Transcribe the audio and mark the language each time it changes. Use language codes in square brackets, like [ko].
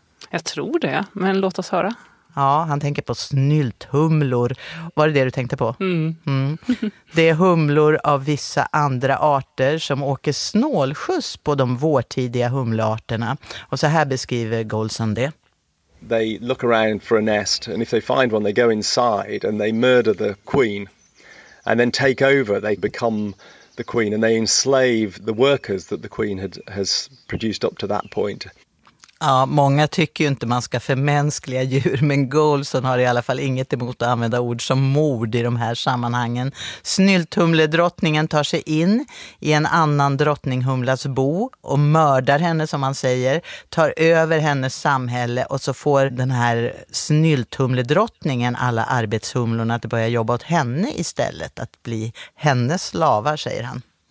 [sv] Jag tror det, men låt oss höra. Ja, han tänker på snylthumlor. Var det det du tänkte på? Mm. Mm. Det är humlor av vissa andra arter som åker snålskjuts på de vårtidiga humlearterna. Och så här beskriver Goldson det. [en] They look around for a nest, and if they find one they go inside and they murder the queen and then take over. They become the queen and they enslave the workers that the queen has produced up to that point. [sv] Ja, många tycker ju inte man ska förmänskliga djur, men Goldson har i alla fall inget emot att använda ord som mord i de här sammanhangen. Snylthumledrottningen tar sig in i en annan drottninghumlas bo och mördar henne, som man säger, tar över hennes samhälle, och så får den här snylthumledrottningen alla arbetshumlorna att börja jobba åt henne istället, att bli hennes slavar, säger han.